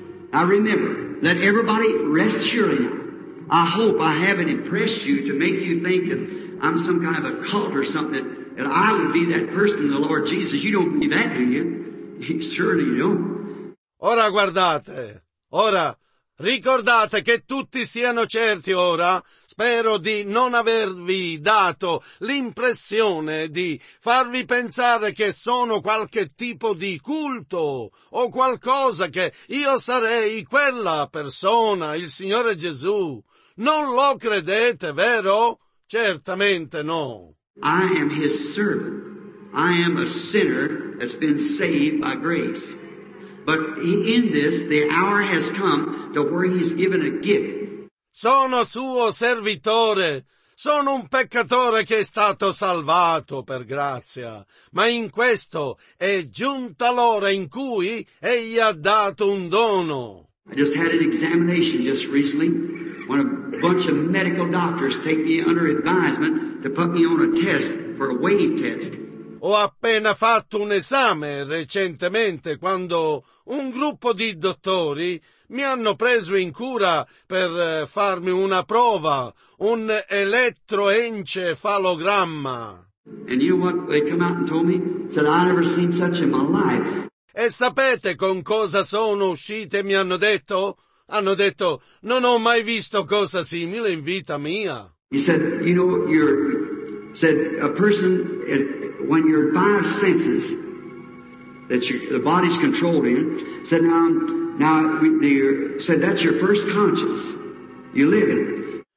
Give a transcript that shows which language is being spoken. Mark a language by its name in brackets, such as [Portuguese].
[English] Now remember, let everybody rest surely now. I hope I haven't impressed you to make you think that I'm some kind of a cult or something, that I would be that person in the Lord Jesus. You don't believe that, do you? Surely you don't. [Italian] Ora guardate, Ora, ricordate che tutti siano certi ora. Spero di non avervi dato l'impressione di farvi pensare che sono qualche tipo di culto o qualcosa, che io sarei quella persona, il Signore Gesù. Non lo credete, vero? Certamente no. [English] I am his servant. I am a sinner that's been saved by grace. But in this, the hour has come to where he's given a gift. [Italian] Sono suo servitore. Sono un peccatore che è stato salvato per grazia. Ma in questo è giunta l'ora in cui egli ha dato un dono. [English] I just had an examination just recently when a bunch of medical doctors take me under advisement to put me on a test for a wave test. [Italian] Ho appena fatto un esame recentemente quando un gruppo di dottori mi hanno preso in cura per farmi una prova, un elettroencefalogramma. [English] And you know what they come out and told me? Said I never seen such in my life. [Italian] E sapete con cosa sono uscite? Mi hanno detto? Hanno detto: non ho mai visto cosa simile in vita mia. [English] He said, you know, said a person, when your five senses that the body's controlled in, said now that's your first conscience you live in.